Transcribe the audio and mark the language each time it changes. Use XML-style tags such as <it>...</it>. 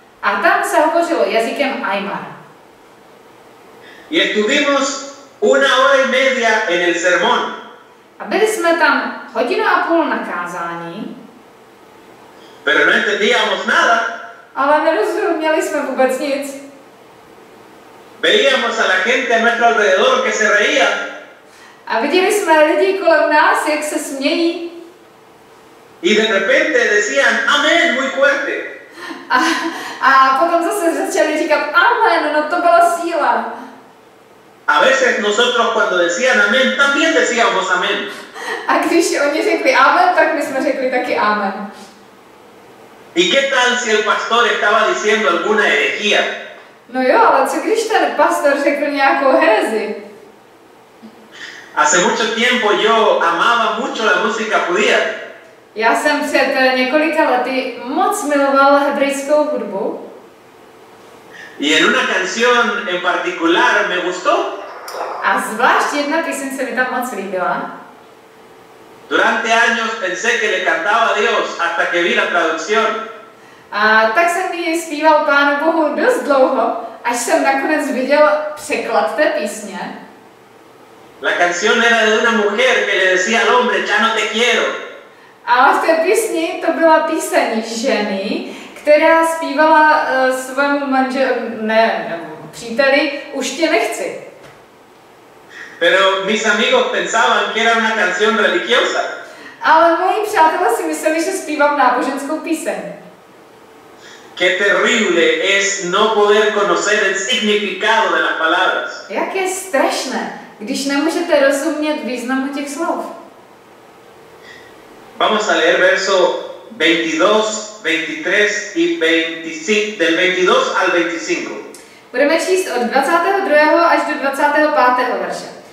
<cs>A tam se hovořilo jazykem Aymara.</cs> <es>Y estuvimos una hora y media en el sermón.</es> <cs>A byli jsme tam hodinu a půl na kázání.</cs> <es>Pero no entendíamos nada.</es> <cs>Ale nerozuměli jsme vůbec nic.</cs> <es>Veíamos a la gente a nuestro alrededor que se reía.</es> <cs>A viděli jsme lidi kolem nás, jak se smějí.</cs> <es>Y de repente decían amén muy fuerte.</es> <cs>A potom zase začali říkat amén, no to byla síla.</cs> <es>A veces nosotros cuando decían amén, también decíamos amén.</es> <cs>A když oni řekli amén, tak my jsme řekli taky amén.</cs> <es>¿Y qué tal si el pastor estaba diciendo alguna herejía?</es> <cs>No jo, ale co když ten pastor řekl nějakou herezi?</cs> <es>Hace mucho tiempo yo amaba mucho la música judía.</es> <cs>Já jsem před několika lety moc miloval hebrejskou hudbu.</cs> <es>Y en una canción en particular me gustó.</es> <cs>A zvlášť jedna písem se mi tam moc líbila.</cs> <es>Durante años pensé que le cantaba a Dios hasta que vi la traducción.</es> <cs>A tak jsem ji zpíval Pánu Bohu dost dlouho, až jsem nakonec viděl překlad té písně.</cs> <es>La canción era de una mujer que le decía al hombre, ya no te quiero.</es> <cs>A v té písni to byla píseň ženy, která zpívala svému manželu, příteli, už tě nechci.</cs> <es>Pero mis amigos pensaban que era una canción religiosa.</es> <cs>Ale moji přátelé si mysleli, že zpívám náboženskou píseň.</cs> <es>Qué terrible es no poder conocer el significado de las palabras.</es> <cs>Jak je strašné, když nemůžete rozumět významu těch slov.</cs> <es>Vamos a leer verso 22, 23 y 25, del 22 al 25.</es> <cs>Budeme číst od 22. až do 25. verše.</cs>